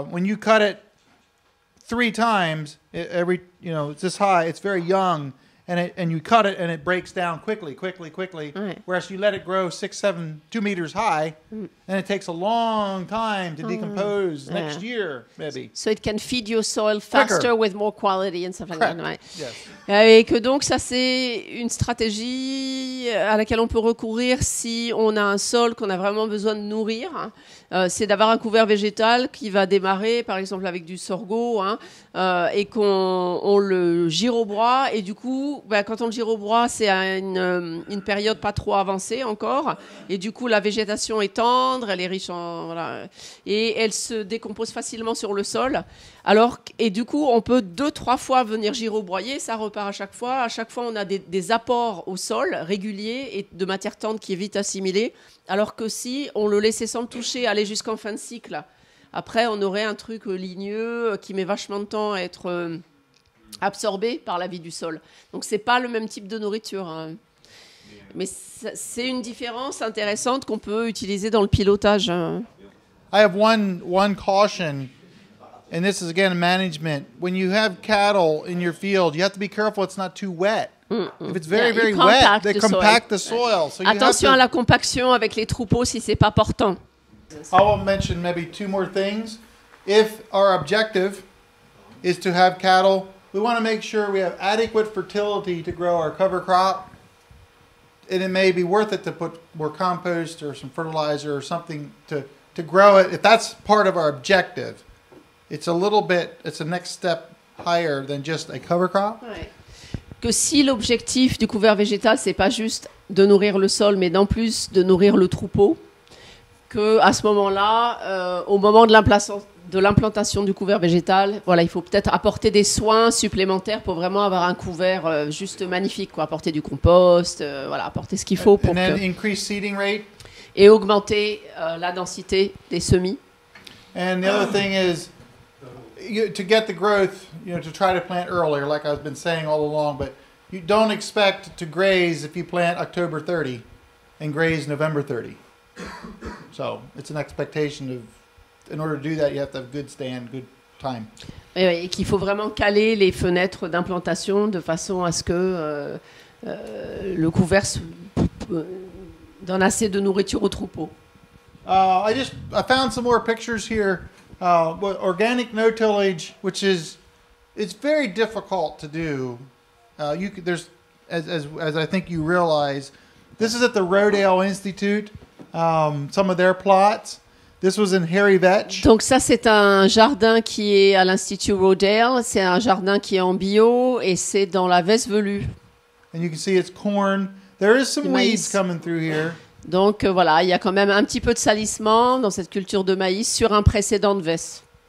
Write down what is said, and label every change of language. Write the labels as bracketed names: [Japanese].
[English] When you cut it three times, it's this high, it's very young, and you cut it and it breaks down quickly. Right. Whereas you let it grow 2 meters high, and it takes a long time to decompose next year, maybe. So it can feed your soil faster with more quality and stuff like Correct. That. Right. Yes. [French] Et que donc ça c'est une stratégie à laquelle on peut recourir si on a un sol qu'on a vraiment besoin de nourrir. C'est d'avoir un couvert végétal qui va démarrer, par exemple, avec du sorgho, et qu'on le gyrobroie. Et du coup, quand on le gyrobroie, c'est à une période pas trop avancée encore. Et du coup, la végétation est tendre, elle est riche en... Voilà, et elle se décompose facilement sur le sol. Et du coup, on peut deux, trois fois venir gyrobroyer, ça repart à chaque fois. À chaque fois, on a des apports au sol réguliers et de matière tendre qui est vite assimilée. Alors que si on le laissait sans le toucher aller jusqu'en fin de cycle, après on aurait un truc ligneux qui met vachement de temps à être absorbé par la vie du sol. Donc c'est pas le même type de nourriture. Hein. Mais c'est une différence intéressante qu'on peut utiliser dans le pilotage. [English] Hein. I have one caution, and this is again management. When you have cattle in your field, you have to be careful it's not too wet. If it's very, very wet, they compact the soil. So [French] attention à la compaction avec les troupeaux si ce n'est pas portant. [English] I will mention maybe two more things. If our objective is to have cattle, we want to make sure we have adequate fertility to grow our cover crop. And it may be worth it to put more compost or some fertilizer or something to grow it. If that's part of our objective, it's a next step higher than just a cover crop. Right. [French] Que si l'objectif du couvert végétal, c'est pas juste de nourrir le sol, mais d'en plus de nourrir le troupeau, qu'à ce moment-là, au moment de l'implantation du couvert végétal, il faut peut-être apporter des soins supplémentaires pour vraiment avoir un couvert juste magnifique, quoi. Apporter du compost, apporter ce qu'il faut pour [English] and increase seeding rate. [French] Et augmenter la densité des semis. [English] And the other thing is, to get the growth, to try to plant earlier, like I've been saying all along, but you don't expect to graze if you plant October 30 and graze November 30. So it's an expectation of, in order to do that, you have to have good stand, good time. [French] Et oui, et qu'il faut vraiment caler les fenêtres d'implantation de façon à ce que le couvert donne assez de nourriture au troupeau. [English] I found some more pictures here. Organic no-tillage, which is very difficult to do. There's, as I think you realize, this is at the Rodale Institute. some of their plots. This was in Harry Vetch. [French] Donc ça, c'est un jardin qui est à l'Institut Rodale. C'est un jardin qui est en bio et c'est dans la veste velue. [English] And you can see it's corn. There is some weeds coming through here. [French] Donc voilà, il y a quand même un petit peu de salissement dans cette culture de maïs sur un précédent de veste.